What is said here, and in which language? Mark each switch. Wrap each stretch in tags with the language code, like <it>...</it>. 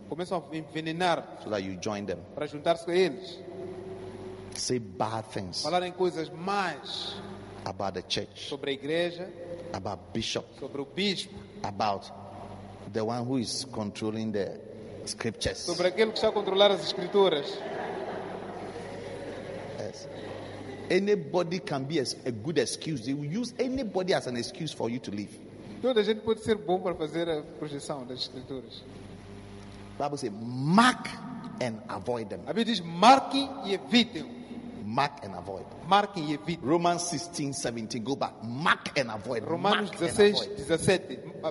<pt>Começam a envenenar.</pt> <en>So that you join them.</en> <pt>Para juntar-se com eles.</pt> <en>Say bad things.</en> <pt>Falarem coisas más.</pt> <en>About the church.</en> <pt>Sobre a igreja.</pt> <en>About bishop.</en> <pt>Sobre o bispo.</pt> <en>About the one who is controlling the scriptures.</en> <pt>Sobre aquele que está a controlar as escrituras.</pt> <en>Yes. Anybody can be a good excuse. They will use anybody as an excuse for you to leave.</en> <pt>Toda gente pode ser bom para fazer a projeção das escrituras.</pt> <en>Bible says, mark and avoid them.</en> <pt>A Bíblia diz, marque e evite.</pt> <en>Mark and avoid.</en> <pt>Marque e evite.</pt> <en>Romans 16:17. Go back. Mark and avoid.</en> <pt>Romanos 16:17.</pt>